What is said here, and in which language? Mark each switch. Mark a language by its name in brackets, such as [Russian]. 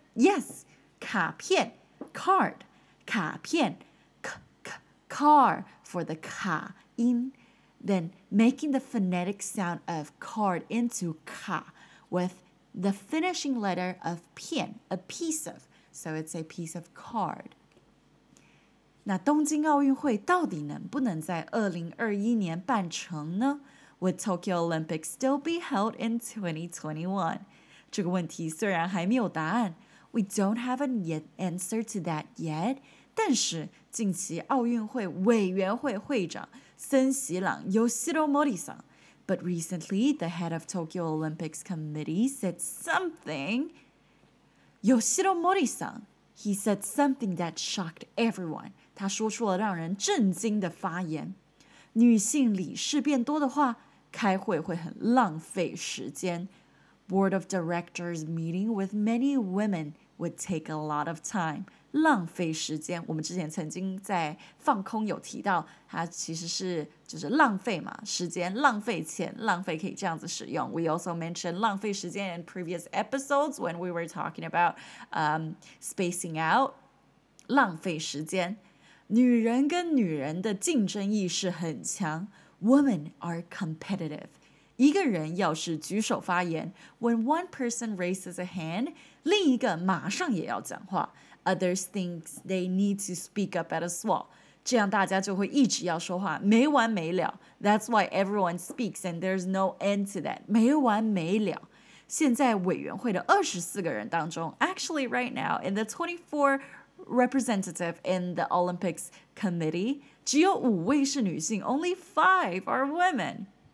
[English] Yes, 卡片, card, 卡片, car for the 卡音, then making the phonetic sound of card into 卡 with the finishing letter of 片, a piece of, so it's a piece of card. [Chinese] 那东京奥运会到底能不能在2021年办成呢? [English] Would Tokyo Olympics still be held in 2021? [Chinese] 这个问题虽然还没有答案 [English] We don't have an answer to that yet [Chinese] 但是近期奥运会委员会会长森喜朗 [English] Yoshiro Mori-san But recently the head of Tokyo Olympics committee said something Yoshiro Mori-san He said something that shocked everyone [Chinese] 他说出了让人震惊的发言女性理事变多的话开会会很浪费时间 [English] Board of directors meeting with many women would take a lot of time. [Chinese] 浪费时间，我们之前曾经在放空有提到，它其实是就是浪费嘛，时间，浪费钱，浪费可以这样子使用。 [English] We also mentioned 浪费时间 in previous episodes when we were talking about spacing out. [Chinese] 浪费时间，女人跟女人的竞争意识很强。 [English] Women are competitive. [Chinese] 一个人要是举手发言 [English] When one person raises a hand [Chinese] 另一个马上也要讲话 [English] Others think they need to speak up at a swell [Chinese] 这样大家就会一直要说话没完没了 [English] That's why everyone speaks and there's no end to that [Chinese] 没完没了现在委员会的24个人当中 [English] Actually right now in the 24 representative in the Olympics committee [Chinese] 只有五位是女性 [English] Only 5 are women